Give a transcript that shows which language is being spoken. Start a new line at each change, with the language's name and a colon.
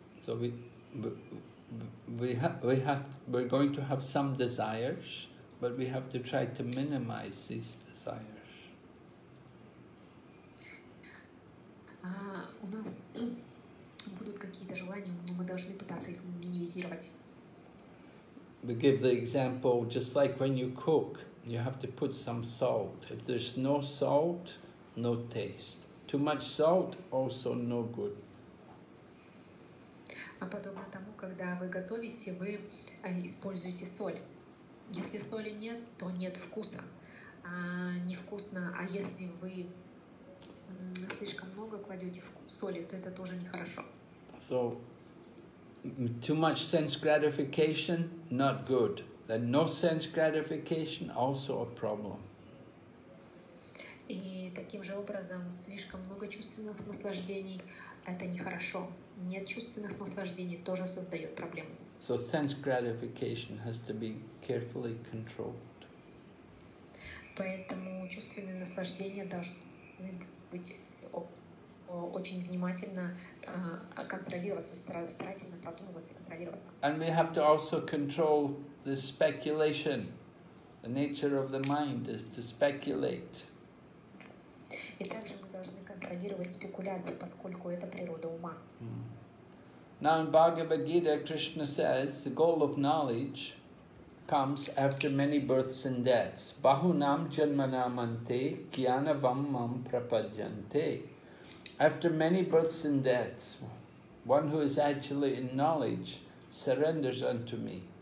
English: So we're going to have some desires, but we have to try to minimize these desires.
Russian: У нас будут какие-то желания, но мы должны пытаться их минимизировать.
English: We give the example, just like when you cook, you have to put some salt. If there's no salt, no taste. Too much salt, also no good.
Russian: А подобно тому, когда вы готовите, вы используете соль. Если соли нет, то нет вкуса. Невкусно. А если вы слишком много кладете соли, то это тоже нехорошо.
English: So, too much sense gratification, not good. Then no sense gratification, also a problem.
Russian: И таким же образом, слишком много чувственных наслаждений, это нехорошо. Нет чувственных наслаждений, тоже создает проблему.
English: So sense gratification has to be carefully controlled.
Russian: Поэтому чувственные наслаждения должны быть очень внимательно контролироваться, старательно продумываться, контролироваться.
English: And we have to also control the speculation. The nature of the mind is to speculate.
Russian: И также мы должны контролировать спекуляции, поскольку это природа ума.
English: Now in Bhagavad Gita, Krishna says, the goal of knowledge comes after many births and deaths.
Sanskrit: Bahunam janmanamante kyanavammam prapajante.
English: After many births and deaths, one who is actually in knowledge surrenders unto me.